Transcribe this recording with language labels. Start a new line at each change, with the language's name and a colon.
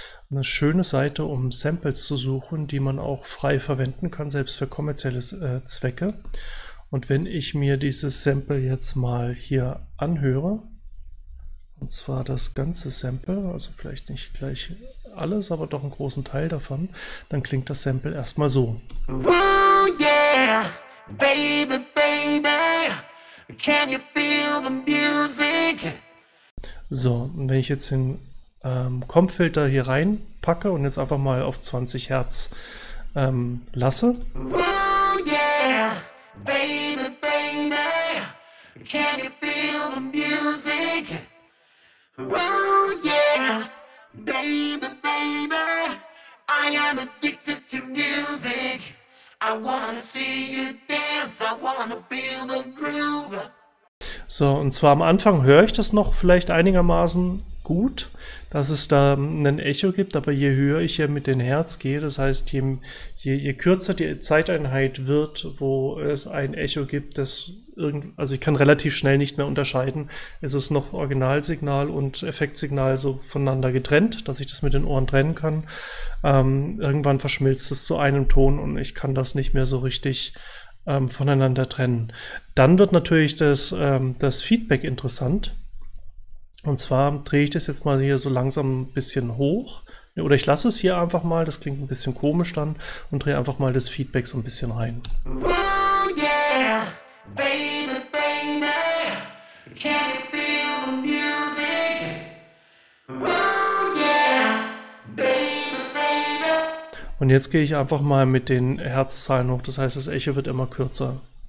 German: Eine schöne Seite, um Samples zu suchen, die man auch frei verwenden kann, selbst für kommerzielle Zwecke. Und wenn ich mir dieses Sample jetzt mal hier anhöre, und zwar das ganze Sample, also vielleicht nicht gleich alles, aber doch einen großen Teil davon, dann klingt das Sample erstmal so.
English: Ooh, yeah, baby, baby, can you feel the music?
German: So, und wenn ich jetzt den Comp-Filter hier reinpacke und jetzt einfach mal auf 20 Hertz lasse.
English: Ooh, yeah. Baby, baby, can you feel the music? Oh yeah, baby, baby, I am addicted to music. I wanna see you dance, I wanna feel the groove.
German: So, und zwar am Anfang höre ich das noch vielleicht einigermaßen gut, dass es da ein Echo gibt, aber je höher ich hier mit den Hertz gehe, das heißt, je kürzer die Zeiteinheit wird, wo es ein Echo gibt, also ich kann relativ schnell nicht mehr unterscheiden, ist es noch Originalsignal und Effektsignal so voneinander getrennt, dass ich das mit den Ohren trennen kann. Irgendwann verschmilzt es zu einem Ton und ich kann das nicht mehr so richtig voneinander trennen. Dann wird natürlich das Feedback interessant. Und zwar drehe ich das jetzt mal hier so langsam ein bisschen hoch. Oder ich lasse es hier einfach mal, das klingt ein bisschen komisch dann, und drehe einfach mal das Feedback so ein bisschen rein.
English: Ooh, yeah, baby, baby, can you feel the music? Ooh, yeah, baby, baby.
German: Und jetzt gehe ich einfach mal mit den Herzzahlen hoch. Das heißt, das Echo wird immer kürzer.